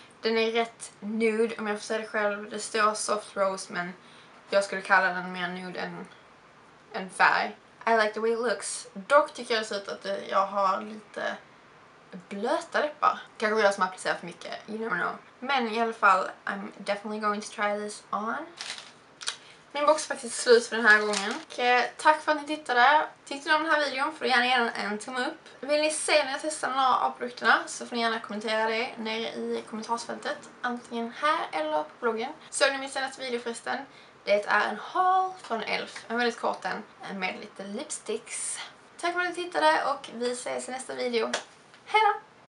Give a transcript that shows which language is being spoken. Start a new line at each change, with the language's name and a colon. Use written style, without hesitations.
Swedish: Den är rätt nude om jag får säga det själv. Det står soft rose men jag skulle kalla den mer nude än färg.
English: I like the way it looks.
Swedish: Dock tycker jag dessutom att jag har lite blöta läppar. Kanske jag som applicerar för mycket,
English: you never know.
Swedish: Men i alla fall,
English: I'm definitely going to try this on.
Swedish: Min box är faktiskt slut för den här gången. Okej, tack för att ni tittade. Tyckte ni om den här videon får du gärna ge den en tumme upp. Vill ni se när jag testar några av produkterna så får ni gärna kommentera det nere i kommentarsfältet. Antingen här eller på bloggen. Såg ni min senaste video förresten? Det är en haul från Elf. En väldigt kort en med lite lipsticks. Tack för att ni tittade och vi ses i nästa video. Hej då!